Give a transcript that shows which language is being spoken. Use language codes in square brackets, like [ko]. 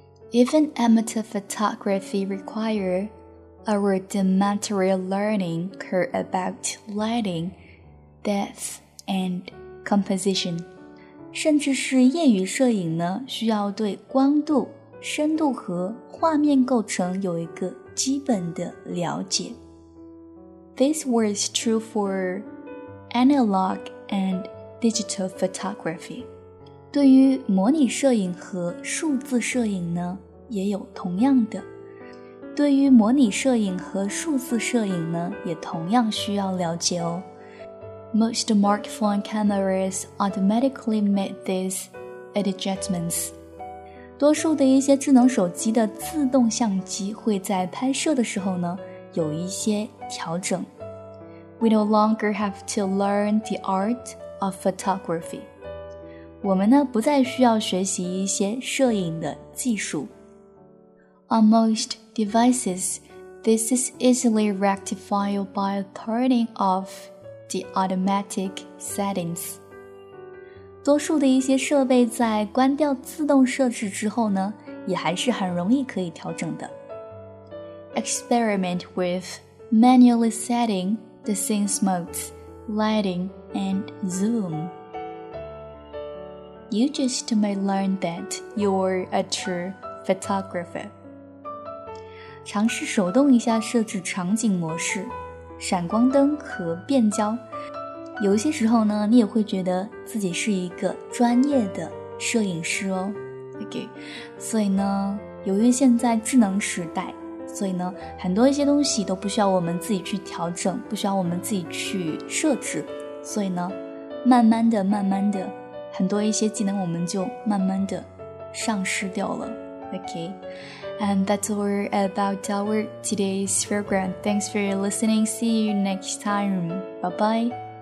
[en] Even amateur photography require a rudimentary learning curve about lighting, depth, and composition. [zh] 甚至是业余摄影呢，需要对光度、深度和画面构成有一个基本的了解。 [en] This was true for analog and digital photography. [zh] 对于模拟摄影和数字摄影呢，也有同样的。对于模拟摄影和数字摄影呢，也同样需要了解哦。 [en] Most smartphone cameras automatically make these adjustments. [zh] 多数的一些智能手机的自动相机会在拍摄的时候呢，有一些调整。 [en] We no longer have to learn the art of photography. [zh] 我们呢，不再需要学习一些摄影的技术。 [en] On most devices, this is easily rectified by turning off the automatic settings. [zh] 多数的一些设备在关掉自动设置之后呢，也还是很容易可以调整的。 [en] Experiment with manually setting the scene modes, lighting, and zoom. You just may learn that you're a true photographer. [zh] 尝试手动一下设置场景模式、闪光灯和变焦。有些时候呢，你也会觉得自己是一个专业的摄影师哦。 OK，所以呢，由于现在智能时代，所以呢，很多一些东西都不需要我们自己去调整，不需要我们自己去设置。所以呢，慢慢的，很多一些技能我们就慢慢的丧失掉了。 OK。 [en] And that's all about our today's program. Thanks for listening. See you next time. Bye-bye.